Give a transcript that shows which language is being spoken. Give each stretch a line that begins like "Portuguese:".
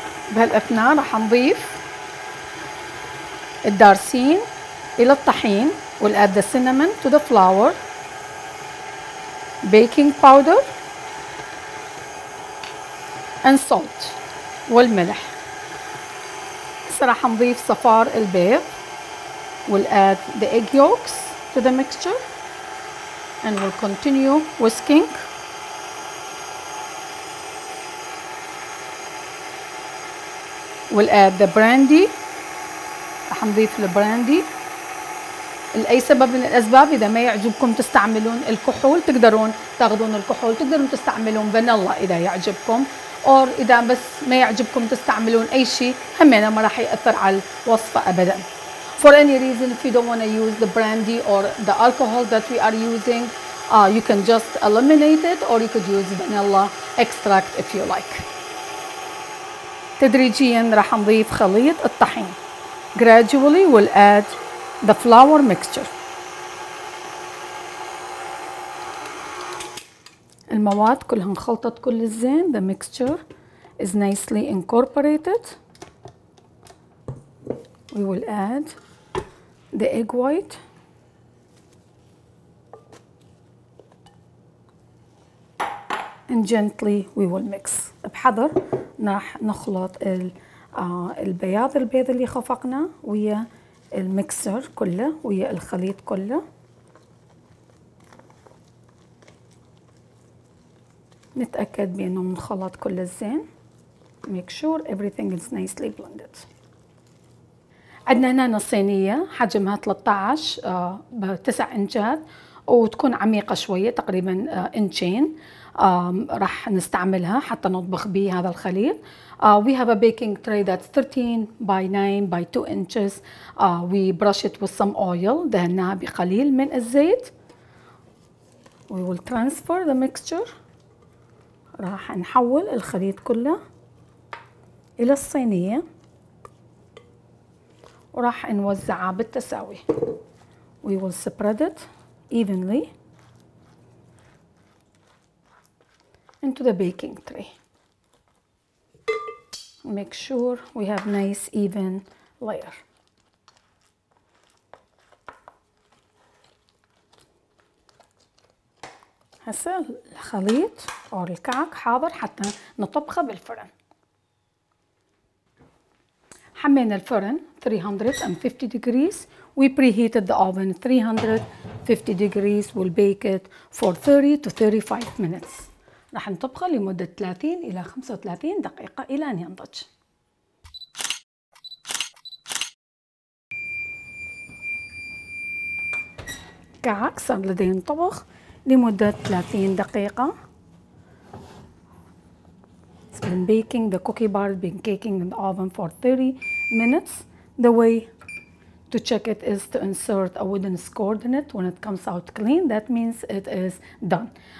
Arabic: بهالأثناء رح نضيف الدارسين إلى الطحين وال
English: add the cinnamon to the flour, baking powder and salt
Arabic: والملح. رح نضيف صفار البيض.
English: We'll add the egg yolks to the mixture and we'll continue whisking. We'll add the brandy.
Arabic: رح نضيف البراندي لأي سبب من الأسباب. إذا ما يعجبكم تستعملون الكحول تقدرون تاخذون الكحول، تقدرون تستعملون فانيلا إذا يعجبكم، أو إذا بس ما يعجبكم تستعملون أي شيء همينة ما راح يأثر على الوصفة أبدا.
English: For any reason, if you don't want to use the brandy or the alcohol that we are using, you can just eliminate it or you could use vanilla extract if you like.
Arabic: تدريجياً راح نضيف خليط الطحين.
English: Gradually we'll add the flour mixture.
Arabic: المواد كلها انخلطت كل الزين.
English: The mixture is nicely incorporated. We will add the egg white and gently we will mix.
Arabic: بحذر راح نخلط البياض البيض اللي خفقنا ويا الميكسر كله ويا الخليط كله. نتأكد بأنه منخلط كل الزين.
English: Make sure everything is nicely blended.
Arabic: عندنا هنا صينية حجمها 13 بـ9 انشات وتكون عميقة شوية تقريبا انشين. راح نستعملها حتى نطبخ به هذا الخليط.
English: We have a baking tray that's 13 × 9 × 2 inches. We brush it with some oil.
Arabic: دهناها بقليل من الزيت.
English: We will transfer the mixture.
Arabic: راح نحول الخليط كله إلى الصينية وراح نوزعها بالتساوي.
English: We will spread it evenly into the baking tray. Make sure we have nice even layer.
Arabic: هذه هسه الخليط او الكعك حاضر حتى نطبخه بالفرن. حمينا الفرن
English: 350 degrees. We preheated the oven 350 degrees. We'll bake it for 30 to 35 minutes.
Arabic: راح نطبخه لمدة 30 إلى 35 دقيقة إلى أن ينضج. كعك صار لدينا طبخ لمدة 30 دقيقة.
English: It's been baking the cookie bar, been baking in the oven for 30 minutes. The way to check it is to insert a wooden score in it. When it comes out clean, that means it is done.